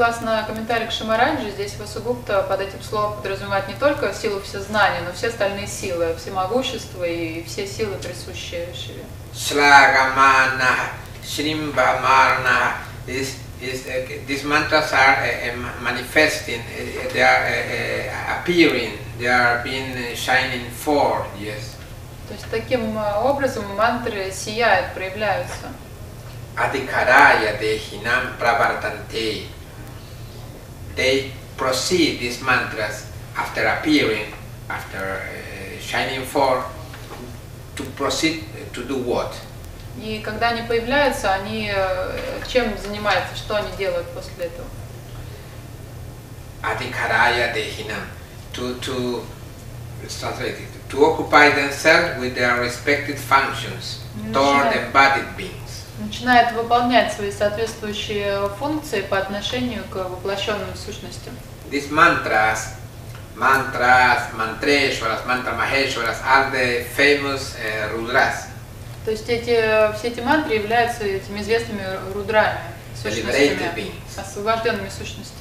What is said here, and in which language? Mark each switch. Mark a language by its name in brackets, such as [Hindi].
[Russian] Согласно комментарию Кшемараджи, здесь Васугупта под этим словом подразумевает не только силу всезнания, но все остальные силы, всемогущество и все силы, присущие Шиве. Шлагамана. [English] Shrimba Marna, these mantras are manifesting, they are appearing, they are being shining forth, yes. [Russian] То есть таким образом мантры сияют, проявляются. [Sanskrit] Adhikaraya Dehinam Pravartante. [English] They proceed, these mantras, after appearing, after shining forth, to proceed to do what? [Russian] И когда они появляются, они чем занимаются, что они делают после этого? [Sanskrit] Adhikaraya dehinam, [English] to translate it, to occupy themselves with their respective functions toward embodied beings. [Russian] Начинают выполнять свои соответствующие функции по отношению к воплощенным сущностям. [English] These mantras, mantreshwaras, mantra maheshwaras are the famous rudras. [Russian] То есть все эти мантры являются этими известными рудрами, сущностями, освобожденными сущностями.